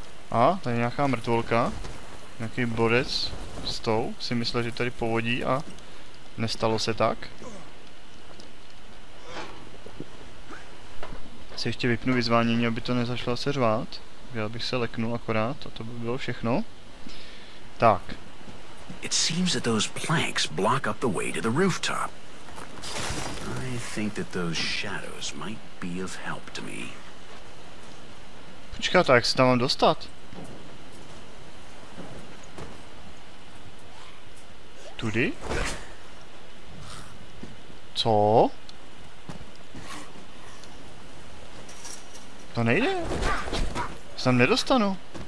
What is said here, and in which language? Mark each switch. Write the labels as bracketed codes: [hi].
[cs] A, tady nějaká mrtvolka. Nějaký borec s tou. Si myslel, že tady povodí a nestalo se tak. Si ještě vypnu vyzvánění, aby to nezačalo se řvát. Já bych se leknul akorát a to by bylo všechno. Tak. [en] It seems that those planks block up the way to the rooftop. I think that those shadows might be of help to me. [cs] Počkat, jak se tam mám dostat? Tudy? Co? To nejde. Se tam nedostanu.